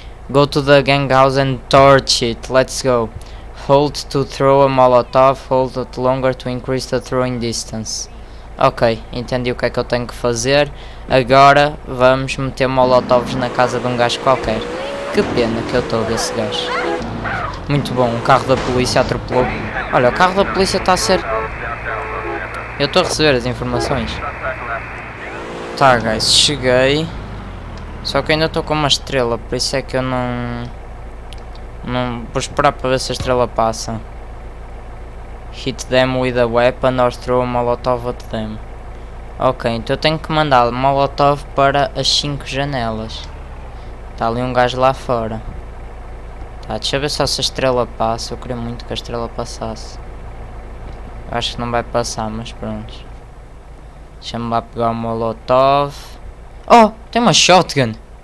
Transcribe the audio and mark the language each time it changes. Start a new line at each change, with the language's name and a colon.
English: Go to the gang house and torch it. Let's go. Hold to throw a molotov. Hold it longer to increase the throwing distance.
Portuguese: Ok, entendi o que é que eu tenho que fazer. Agora vamos meter molotovs na casa de um gajo qualquer. Que pena que eu estou desse gajo. Muito bom, o carro da polícia atropelou. Olha, o carro da polícia está a ser... Eu estou a receber as informações. Tá, guys, cheguei. Só que ainda estou com uma estrela, por isso é que eu não... Não vou esperar para ver se a estrela passa.
English: Hit them with a weapon or throw a molotov at them.
Portuguese: Ok, então eu tenho que mandar molotov para as 5 janelas. Está ali um gajo lá fora. Tá, deixa eu ver só se a estrela passa. Eu queria muito que a estrela passasse. Eu acho que não vai passar, mas pronto. Deixa-me lá pegar o molotov. Oh, tem uma shotgun.